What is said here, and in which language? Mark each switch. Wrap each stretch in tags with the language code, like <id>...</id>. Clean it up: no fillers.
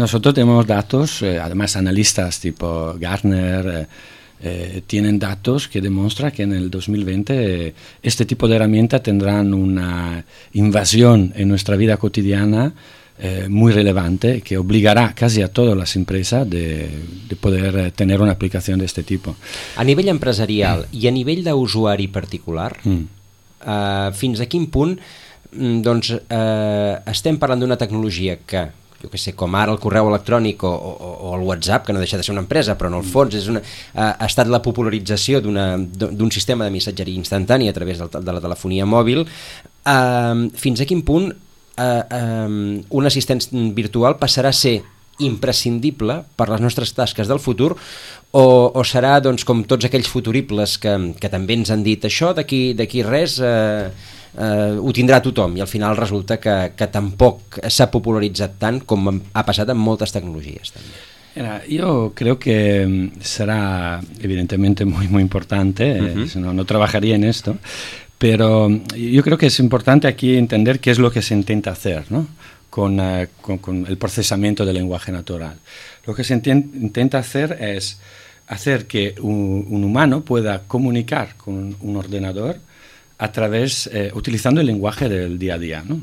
<es>Nosotros tenemos datos, además analistas tipo Gartner tienen datos que demuestran que en el 2020 este tipo de herramienta tendrán una invasión en nuestra vida cotidiana muy relevante, que obligará casi a todas las empresas de poder tener una aplicación de este tipo.</es> <ca>A nivell empresarial i a nivell d'usuari particular, fins a quin punt estem parlant d'una tecnologia que, jo que sé, com ara el correu electrònic o el WhatsApp, que no deixa de ser una empresa, però en el fons és ha estat la popularització d'un sistema de missatgeria instantània a través de la telefonia mòbil, fins a quin punt un assistent virtual passarà a ser imprescindible per les nostres tasques del futur o serà, doncs, com tots aquells futuribles que també ens han dit això, d'aquí res ho tindrà tothom i al final resulta que tampoc s'ha popularitzat tant com ha passat amb moltes tecnologies també.</ca> <es>Yo creo que será evidentemente muy, muy importante, no trabajaría en esto, pero yo creo que es importante aquí entender qué es lo que se intenta hacer, ¿no? Con el procesamiento del lenguaje natural. Lo que se intenta hacer es hacer que un humano pueda comunicar con un ordenador a través, utilizando el lenguaje del día a día, ¿no?</es>